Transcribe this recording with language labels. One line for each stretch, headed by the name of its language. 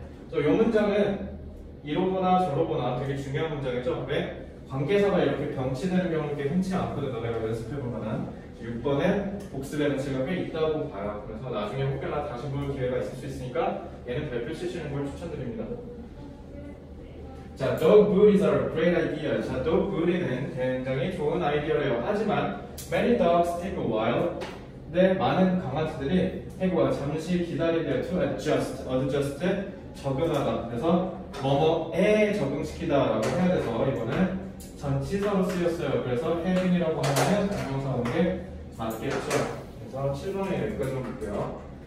Korean: 그래서 요 문장은 이러거나 저러거나 되게 중요한 문장이죠. 왜? 관계사가 이렇게 병치되는 경우는 흔치 않거든요. 내가 연습해볼 만한 6번에 복습하는 시간이 꽤 있다고 봐요. 그래서 나중에 혹여나 다시 볼 기회가 있을 수 있으니까 얘는 별표 치시는 걸 추천드립니다.
English: 자, dog food is a great idea.
Korean: 자, dog food은 굉장히 좋은 아이디어예요. 하지만
English: many dogs take a while.
Korean: 근데 많은 강아지들이
English: take a while,
Korean: 잠시 기다리게 to adjust, adjust, 적응하다. 그래서 뭐뭐에 적응시키다 라고 해야 돼서 이번에 전치사로 쓰였어요. 그래서 해빈이라고 하면 동사 오는 게 맞겠죠. 그래서 7번에 여기까지 볼게요.